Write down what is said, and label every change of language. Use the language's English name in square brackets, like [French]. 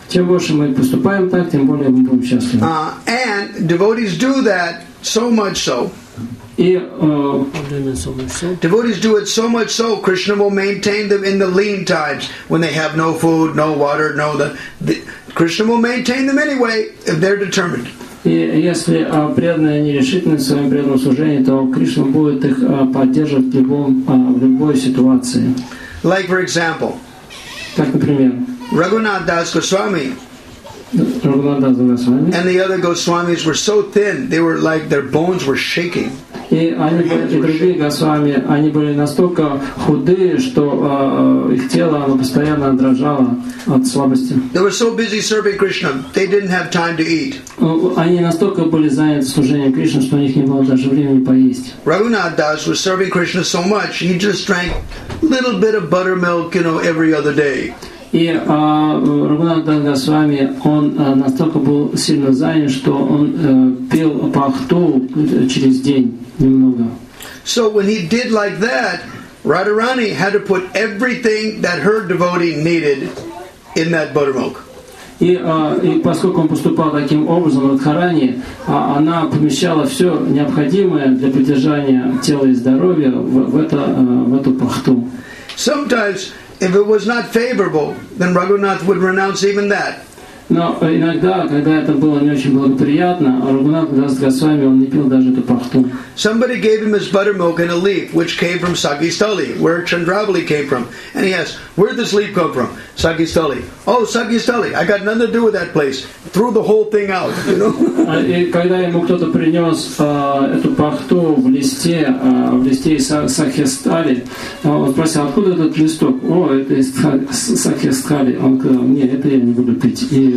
[Russian] Чем больше мы поступаем так, тем более мы будем счастливы. [English] And devotees do that so much so. Devotees do it so much so, Krishna will maintain them in the lean times when they have no food, no water, no Krishna will maintain them anyway if they're determined. [Russian] И если преданные не решительны в своем преданном служении, то Кришна будет их поддерживать в любой ситуации. [English] Like for example. [Russian] Так, например. [English] Raghunath Das Goswami. Raghunath Das Goswami. And the other Goswamis were so thin, they were like their bones were shaking. [Russian] И они были, и другие Госвами, они были настолько худые, что их тело оно постоянно дрожало от слабости. [English] They were so busy serving Krishna, they didn't have time to eat. [Russian] Они настолько были заняты служением Кришне, что у них не было даже времени поесть. [English] Raghunath Das was serving Krishna so much, he just drank a little bit of buttermilk, you know, every other day. [Russian] И Рагунатха Дас Госвами, он настолько был сильно занят, что он пил пахту через день немного. [English] So when he did like that, Radharani had to put everything that her devotee needed in that buttermilk. [Russian] И поскольку он поступал таким образом, Радхарани, она помещала все необходимое для поддержания тела и здоровья в эту пахту. [English] Sometimes if it was not favorable, then Raghunath would renounce even that. [Russian] Но иногда, когда это было не очень благоприятно, Рагунат Дас Госвами, он не пил даже эту пахту. [English] Somebody gave him his buttermilk in a leaf, which came from Sagistali, where Chandravali came from. And he asked, where did this leaf come from? Sagistali. Oh, Sagistali, I got nothing to do with that place. Threw the whole thing out, you know? [Russian] И когда ему кто-то принес эту пахту в листе Сагистали, он спросил, откуда этот листок? О, это из Сагистали. Он сказал, нет, это я не буду пить.